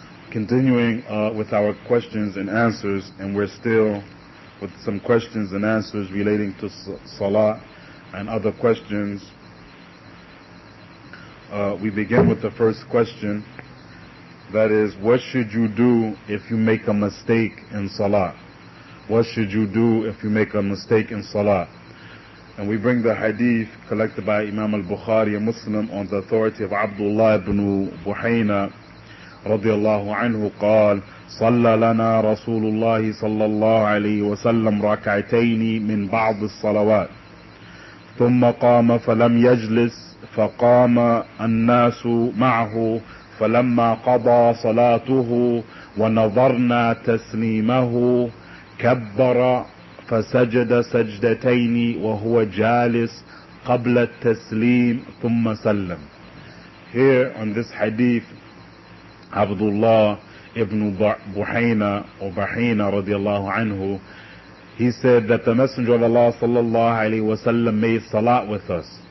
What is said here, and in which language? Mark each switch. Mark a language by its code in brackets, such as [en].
[en] Continuing with our questions and answers, and we're still with some questions and answers relating to salah and other questions. We begin with the first question, that is, what should you do if you make a mistake in salah? What should you do if you make a mistake in salah? And we bring the hadith collected by Imam al-Bukhari, a Muslim, on the authority of Abdullah ibn Buhayna [ar] رضي الله عنه قال صلى لنا رسول الله صلى الله عليه وسلم ركعتين من بعض الصلوات ثم قام فلم يجلس فقام الناس معه فلما قضى صلاته ونظرنا تسليمه كبر فسجد سجدتين وهو جالس قبل التسليم ثم سلم. [en] Here on this hadith, Abdullah ibn Buhayna or Buhayna radiallahu anhu, he said that the Messenger of Allah sallallahu alayhi wa sallam made salat with us.